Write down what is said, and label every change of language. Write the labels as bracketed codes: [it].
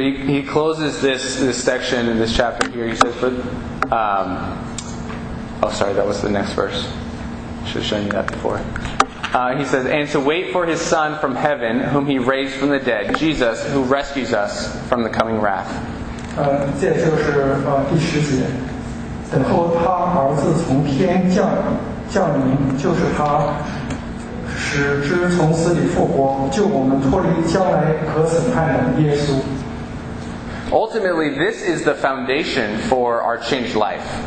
[en] he closes this section in this chapter here. He says, that was the next verse. I should have shown you that before. He says, and to wait for his son from heaven, whom he raised from the dead, Jesus, who rescues us from the coming wrath. [zh] 这就是第十节，等候他儿子从天降临，就是他使之从死里复活，救我们脱离将来可审判的耶稣。 [en] Ultimately, this is the foundation for our changed life.